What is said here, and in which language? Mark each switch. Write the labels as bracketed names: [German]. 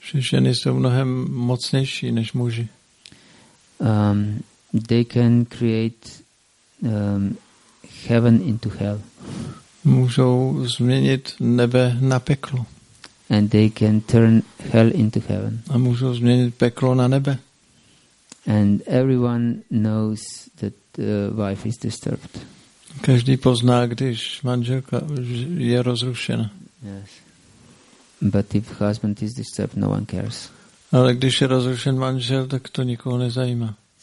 [Czech] Ženy jsou mnohem mocnější než muži. [English] They can create heaven into hell. [Czech] Můžou změnit nebe na peklo. [English] And they can turn hell into heaven. [Czech] A můžou změnit peklo na nebe. [English] And everyone knows that the wife is disturbed. [Czech] Každý pozná, když manželka je rozrušena. [English] Yes. But if husband is disturbed, no one cares. [Czech] Ale když je rozrušen manžel, tak to nikoho nezajímá.